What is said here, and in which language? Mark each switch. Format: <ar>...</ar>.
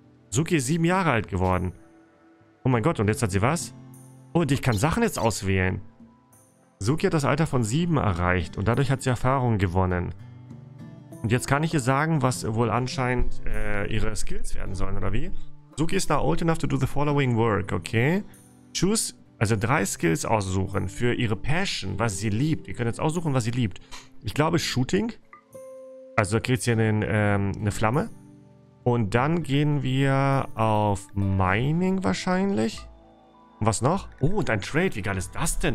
<de>Suki ist 7 Jahre alt geworden. Oh mein Gott, und jetzt hat sie was? Oh, und ich kann Sachen jetzt auswählen. Suki hat das Alter von 7 erreicht und dadurch hat sie Erfahrung gewonnen. Und jetzt kann ich ihr sagen, was wohl anscheinend ihre Skills werden sollen, oder wie?</de> <en>Suki ist now old enough to do the following work, okay?</en> <de>Choose, also 3 Skills aussuchen für ihre Passion, was sie liebt. Ihr könnt jetzt aussuchen, was sie liebt. Ich glaube, Shooting. Also kriegt sie eine Flamme. Und dann gehen wir auf Mining wahrscheinlich. Und was noch? Oh, und ein Trade. Wie geil ist das denn?</de>